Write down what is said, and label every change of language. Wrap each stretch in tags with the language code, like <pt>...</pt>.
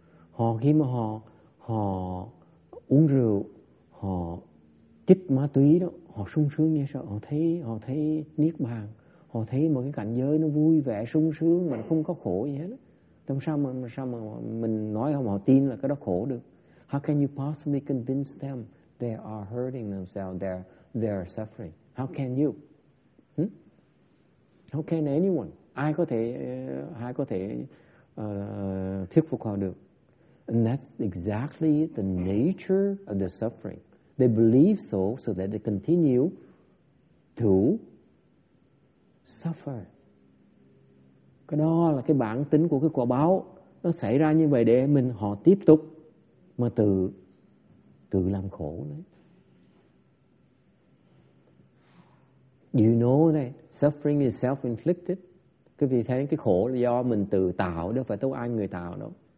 <vi>Họ khi mà họ uống rượu, họ chích ma túy đó, họ sung sướng như sợ, họ thấy niết bàn, họ thấy một cái cảnh giới nó vui vẻ sung sướng mà không có khổ gì hết. Tại sao mà mình nói không họ tin là cái đó khổ được?</vi> <en>How can you possibly convince them they are hurting themselves, they are suffering? How can you? How can anyone?</en> <vi>Ai có thể thuyết phục họ được?</vi> <en>And that's exactly the nature of the suffering. They believe so that they continue to suffer.</en> <vi>Cái đó là cái bản tính của cái quả báo. Nó xảy ra như vậy để mình họ tiếp tục mà tự làm khổ đấy.</vi> <en>You know that suffering is self-inflicted.</en> <vi>Cái vì thế cái khổ là do mình tự tạo, đâu phải tôi ai người tạo đâu.</vi>